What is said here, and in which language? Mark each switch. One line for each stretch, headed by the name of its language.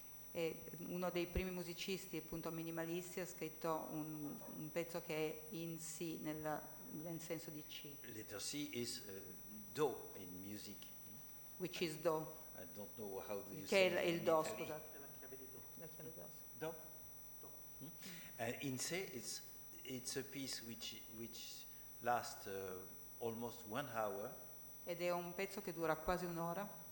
Italian: E uno dei primi musicisti, appunto minimalisti, ha scritto un pezzo che è in C, nel senso di C.
English: Letter C is Do in music. Which is Do. I don't know how do you say it.
Italian: Che è il Do, scusate. La chiave di Do. Do.
English: In C, it's a piece which lasts almost 1 hour.
Italian: Ed è un pezzo che dura quasi un'ora.